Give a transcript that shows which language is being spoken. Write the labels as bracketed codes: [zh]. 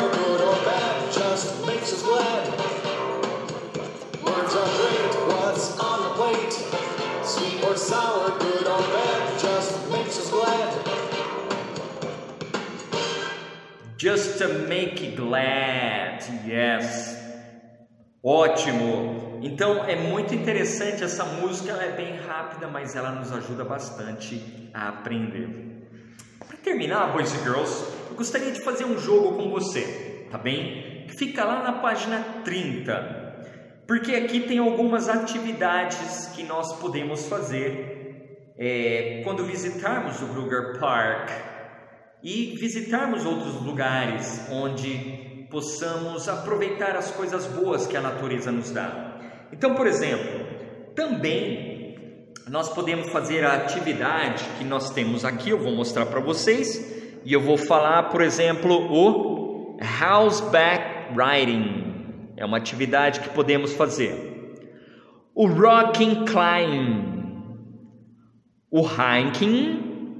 [en] good or bad, just makes us glad. Words are great, what's on the plate? Sweet or sour, good or bad, just makes us glad. Just to make you glad, yes. [pt] Ótimo! Então, é muito interessante essa música, ela é bem rápida, mas ela nos ajuda bastante a aprender. Para terminar, [en] Boys and Girls, [pt] eu gostaria de fazer um jogo com você, tá bem? Fica lá na página 30, porque aqui tem algumas atividades que nós podemos fazer quando visitarmos o Kruger Park e visitarmos outros lugares onde possamos aproveitar as coisas boas que a natureza nos dá. Então, por exemplo, também nós podemos fazer a atividade que nós temos aqui, eu vou mostrar para vocês, e eu vou falar, por exemplo, o horseback riding. É uma atividade que podemos fazer. O rocking climb, o hiking.